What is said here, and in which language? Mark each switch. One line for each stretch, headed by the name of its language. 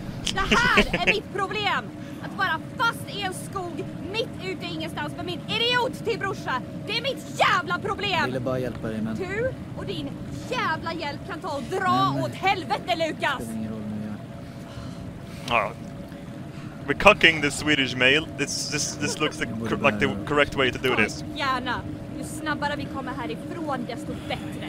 Swedish: Det här är mitt problem! Att vara fast i en skog, mitt ute ingenstans med min idiot till brorsa. Det är mitt jävla problem! Jag ville bara hjälpa dig, men... Du och din jävla hjälp kan ta och dra åt helvete, Lukas! Det spelar ingen roll nu, jag.
English: We're cucking the Swedish male. This looks like the correct way to do this.
Swedish: Ta gärna. Ju snabbare vi kommer härifrån, desto bättre.